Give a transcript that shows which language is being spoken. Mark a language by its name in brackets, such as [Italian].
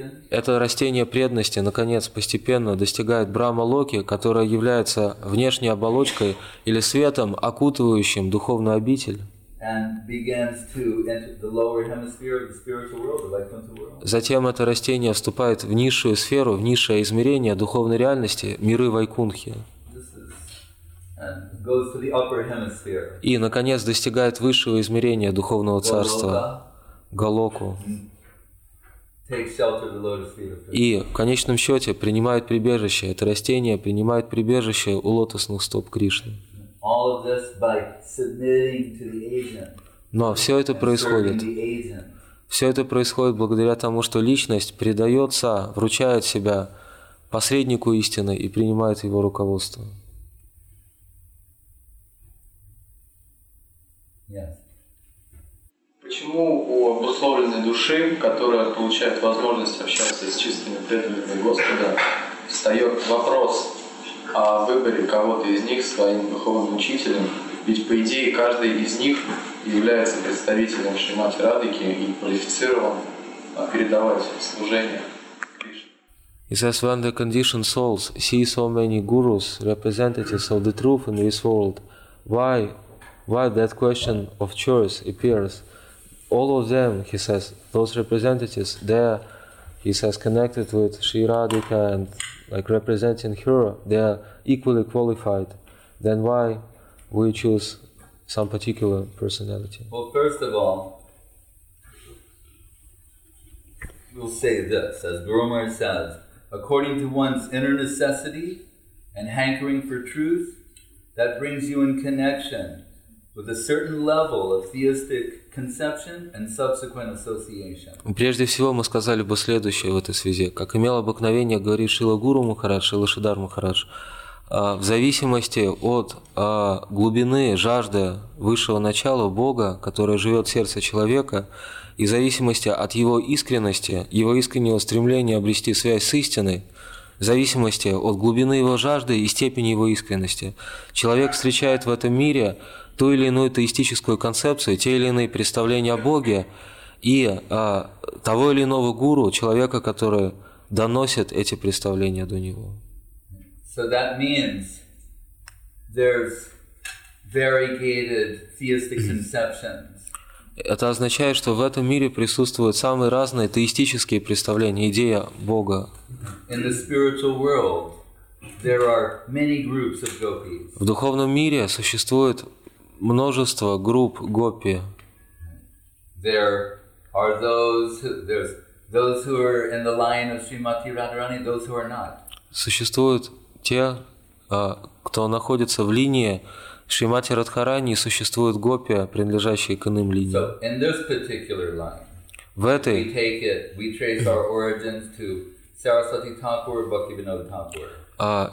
[Russian] Это растение преданности, наконец, постепенно достигает Брахмалоки, которое является внешней оболочкой или светом, окутывающим духовную обитель. [English] And begins to enter the lower hemisphere of the spiritual world, the Vaikuntha world. [Russian] Затем это растение вступает в низшую сферу, в низшее измерение духовной реальности, миры Вайкунхи. [English] And goes to the upper hemisphere. [Russian] И, наконец, достигает высшего измерения духовного царства, Галоку. [English] Takes shelter of the lotus feet. [Russian] И, в конечном счете, принимает прибежище. Это растение принимает прибежище у лотосных стоп Кришны. [English] All of this by submitting to the agent. [Russian] Но все это происходит. Все это происходит благодаря тому, что личность предается, вручает себя посреднику истины и принимает его руководство. [English] Yes. [Russian] Почему у обусловленной души, которая получает возможность общаться с чистыми преданными Господа, встает вопрос о выборе кого-то из них своим духовным учителем, ведь по идее каждый из них является представителем Шримати Радхики и квалифицирован передавать служение Кришне. [English] He says, when the conditioned souls see so many gurus, representatives of the truth in this world, why that question of choice appears? All of them, he says, those representatives, they are, he says, connected with Sri Radhika and like representing her, they are equally qualified. Then why we choose some particular personality? Well, first of all, we'll say this, as Guru Maharaj says, according to one's inner necessity and hankering for truth, that brings you in connection with a certain level of theistic conception and subsequent association. [Russian] Прежде всего мы сказали бы следующее в этой связи. Как имел обыкновение говорить Шрила Гуру Махарадж, Шрила Шридхар Махарадж, в зависимости от глубины жажды высшего начала Бога, которое живет в сердце человека, и в зависимости от его искренности, его искреннего стремления обрести связь с истиной, в зависимости от глубины его жажды и степени его искренности, человек встречает в этом мире ту или иную теистическую концепцию, те или иные представления о Боге и того или иного гуру, человека, который доносит эти представления до него. [English] So that means there's variegated theistic conceptions. [Russian] Это означает, что в этом мире присутствуют самые разные теистические представления, идея Бога. [English] In the spiritual world, there are many groups of gopis. [Russian] В духовном мире существует множество групп гопи. [English] There are those who are in the line of Srimati Radharani, those who are not. [Russian] Существуют те, кто находится в линии Шримати Радхарани, и существуют гопи, принадлежащие к иным линиям. [English] So in this particular line, [Russian] в этой, [English] we take it, we trace our origins to Saraswati Thakur, Bhaktivinoda Thakur.